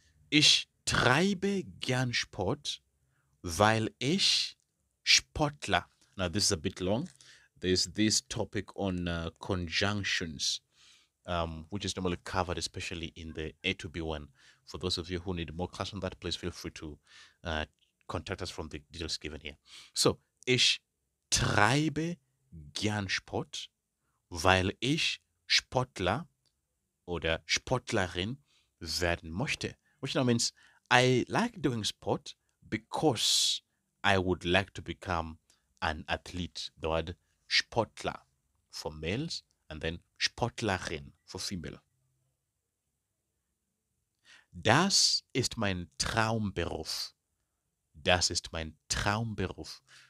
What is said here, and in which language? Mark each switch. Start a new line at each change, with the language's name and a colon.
German: Ich treibe gern Sport, weil ich Sportler.
English: Now, this is a bit long. There's this topic on conjunctions, which is normally covered, especially in the A to B1. For those of you who need more class on that, please feel free to contact us from the details given here.
German: So, ich treibe gern Sport, weil ich Sportler oder Sportlerin werden möchte.
English: Which now means, I like doing sport because I would like to become an athlete. The word Sportler for males and then Sportlerin for female.
German: Das ist mein Traumberuf. Das ist mein Traumberuf.